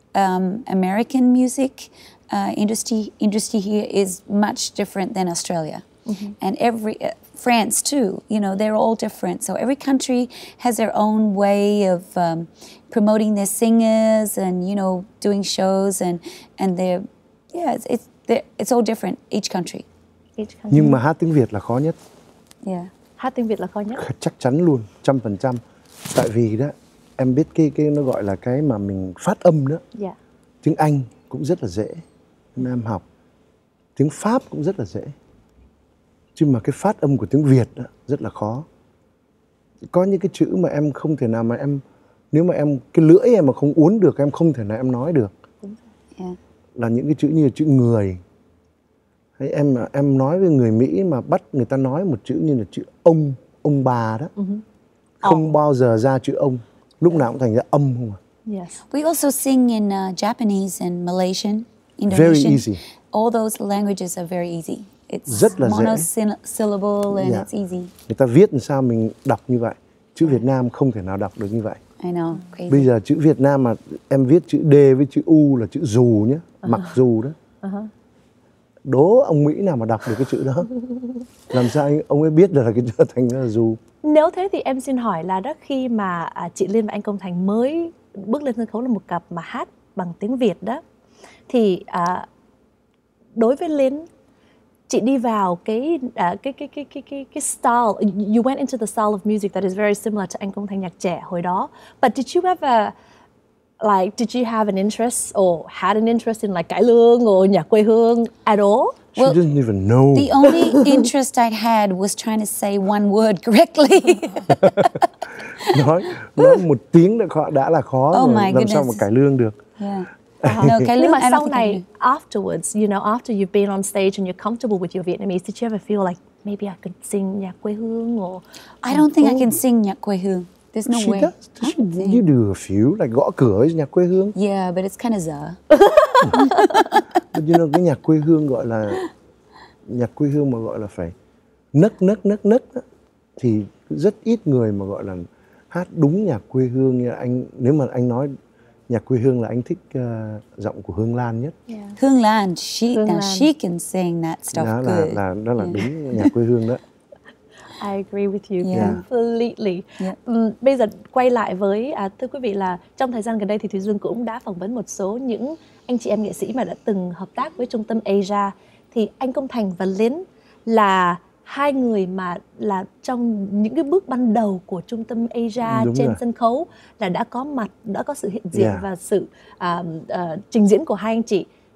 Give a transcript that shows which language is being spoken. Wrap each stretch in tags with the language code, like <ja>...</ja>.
<en>American music industry here is much different than Australia. And every France too, you know, they're all different. So every country has their own way of promoting their singers and, you know, doing shows and they're, yeah, it's all different, each country.</en> <vi>Nhưng mà hát tiếng Việt là khó nhất.</vi> <en>Yeah.</en> <vi>Hát tiếng Việt là khó nhất. Chắc chắn luôn, 100%. Tại vì đó, em biết cái nó gọi là cái mà mình phát âm đó.</vi> <en>Yeah.</en> <vi>Tiếng Anh cũng rất là dễ, nên em học. Tiếng Pháp cũng rất là dễ. Chứ mà cái phát âm của tiếng Việt đó, rất là khó. Có những cái chữ mà em không thể nào mà em, nếu mà em, cái lưỡi em mà không uốn được, em không thể nào em nói được. Là những cái chữ như là chữ người. Hay em nói với người Mỹ mà bắt người ta nói một chữ như là chữ ông bà đó. Không bao giờ ra chữ ông. Lúc nào cũng thành ra âm không à.</vi> <en>We also sing in Japanese and Malaysian, Indonesian. Very easy. All those languages are very easy. It's monosyllable and it's easy.</en> <vi>Người ta viết làm sao mình đọc như vậy. Chữ Việt Nam không thể nào đọc được như vậy.</vi> <en>I know, crazy.</en> <vi>Bây giờ chữ Việt Nam mà em viết chữ D với chữ U là chữ dù nhé. Mặc dù đó. Đố ông Mỹ nào mà đọc được cái chữ đó. Làm sao ông ấy biết được là cái chữ thành là dù. Nếu thế thì em xin hỏi là đó, khi mà chị Liên và anh Công Thành mới bước lên sân khấu là một cặp mà hát bằng tiếng Việt đó, thì đối với Liên, chị đi vào cái style,</vi> <en>you went into the style of music that is very similar to</en> <vi>anh Công Thành nhạc trẻ hồi đó.</vi> <en>But did you ever, like, did you have an interest or had an interest in like cải lương or nhạc quê hương at all? She didn't even know. The only interest I had was trying to say one word correctly.</en> <vi>nói một tiếng đã là khó rồi.</vi> <en>Oh my</en> <vi>goodness. Làm sao mà cải lương được?</vi> <en>Yeah. Nhưng mà sau này, afterwards, you know, after you've been on stage and you're comfortable with your Vietnamese, did you ever feel like maybe I could sing nhạc quê hương or... I don't think I can sing nhạc quê hương. There's no way. You do a few, like gõ cửa với nhạc quê hương. Yeah, but it's kind of dở. But you know,</en> <vi>cái nhạc quê hương gọi là... Nhạc quê hương mà gọi là phải nấc đó, thì rất ít người mà gọi là hát đúng nhạc quê hương như anh... Nếu mà anh nói... Nhạc quê hương là anh thích giọng của Hương Lan nhất.</vi> <en>Yeah. Hương Lan, she can sing that stuff good.</en> <vi>Đó là đúng nhạc quê hương đó.</vi> <en>I agree with you completely. Yeah.</en> <vi>Bây giờ quay lại với, thưa quý vị là trong thời gian gần đây thì Thùy Dương cũng đã phỏng vấn một số những anh chị em nghệ sĩ mà đã từng hợp tác với Trung tâm Asia. Thì anh Công Thành và Lin là hai người mà là trong những cái bước ban đầu của Trung tâm Asia sân khấu là đã có mặt, đã có sự hiện diện và sự trình diễn của hai anh chị.</vi>